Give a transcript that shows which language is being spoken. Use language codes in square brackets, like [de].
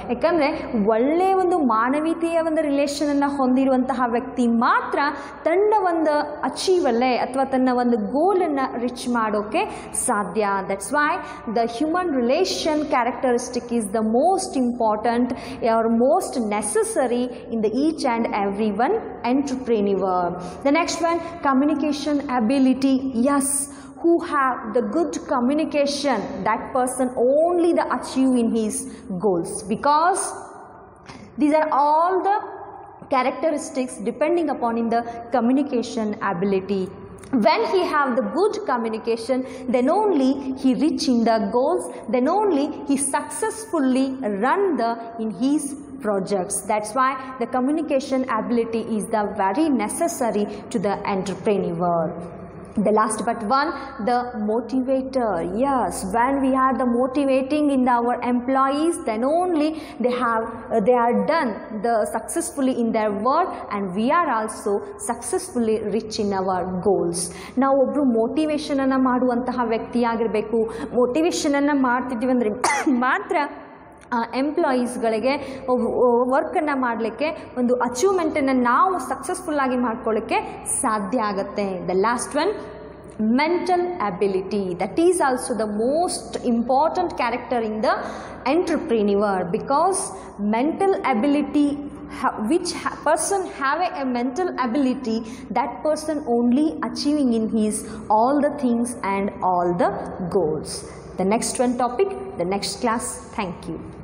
[kn] ಯಾಕಂದರೆ ಒಳ್ಳೆಯ ಒಂದು ಮಾನವೀಯತೆಯ ಒಂದು ರಿಲೇಷನನ್ನು ಹೊಂದಿರುವಂತಹ ವ್ಯಕ್ತಿ ಮಾತ್ರ ತನ್ನ ಒಂದು ಅಚೀವಲ್ಲೇ ಅಥವಾ ತನ್ನ ಒಂದು ಗೋಲನ್ನು ರಿಚ್ ಮಾಡೋಕ್ಕೆ ಸಾಧ್ಯ. [en] That's why the human relation characteristic is the most important or most necessary in the each and every one entrepreneur. The next one, communication ability. Yes, who have the good communication, that person only the achieve in his goals, because these are all the characteristics depending upon in the communication ability. When he have the good communication, then only he reach in the goals, then only he successfully run the in his projects. That's why the communication ability is the very necessary to the entrepreneur. The last but one, the motivator. Yes, when we are the motivating in our employees, then only they are done the successfully in their work, and we are also successfully reach in our goals. [kn] Now obru motivation ana maduvantaha vyakti agirbeku, motivation ana martidivi andre matra ಎಂಪ್ಲಾಯೀಸ್ಗಳಿಗೆ ವರ್ಕನ್ನು ಮಾಡಲಿಕ್ಕೆ ಒಂದು ಅಚೀವ್ಮೆಂಟನ್ನು ನಾವು successful ಆಗಿ ಮಾಡ್ಕೊಳ್ಳೋಕ್ಕೆ ಸಾಧ್ಯ ಆಗುತ್ತೆ. [en] The last one, mental ability. That is also the most important character in the entrepreneur, because mental ability, which person have a mental ability, that person only achieving in his all the things and all the goals. The next one topic, the next class. Thank you.